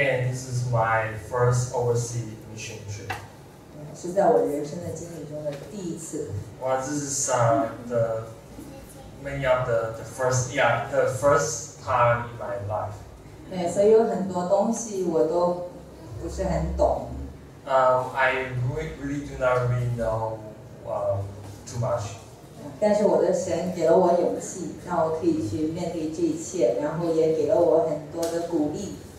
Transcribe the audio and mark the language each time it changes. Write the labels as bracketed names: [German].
[English] This is my first overseas mission trip. [Chinese] 是在我人生的经历中的第一次。哇，这是 [English] the many of the first, yeah, the first time in my life. [Chinese] 对，所以有很多东西我都不是很懂。 [English] I really do not really know too much. [Chinese] 但是我的神给了我勇气，让我可以去面对这一切，然后也给了我很多的鼓励。